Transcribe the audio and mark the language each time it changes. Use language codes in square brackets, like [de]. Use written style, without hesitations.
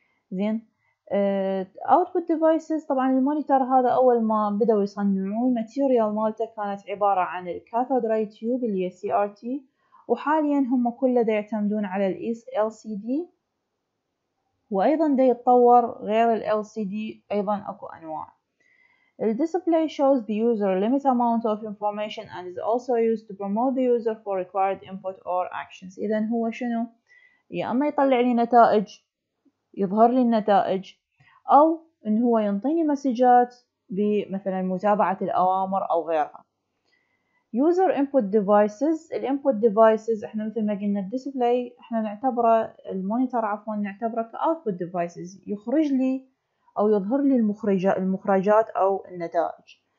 [ar] زين، أوتبوت ديفايسز طبعا المونيتور هذا أول ما بدأوا يصنعون ماتيريال مالته كانت عبارة عن الكاثود راي تيوب اللي هي CRT، وحاليا هم كله دا يعتمدون على الإيس LCD. وايضا ده يتطور غير ال LCD، ايضا اكو انواع. [en] ال display shows the user limit amount of information and is also used to promote the user for required input or actions. [ar] اذا هو شنو؟ يا اما يطلع لي نتائج، يظهر لي النتائج، او ان هو ينطيني مسجات بمثلا متابعه الاوامر او غيرها. [en] User input devices. [ar] الـ input devices احنا مثل ما قلنا الـ display احنا نعتبره المونيتور عفوا نعتبره كـ output devices، يخرج لي او يظهر لي المخرجات او النتائج.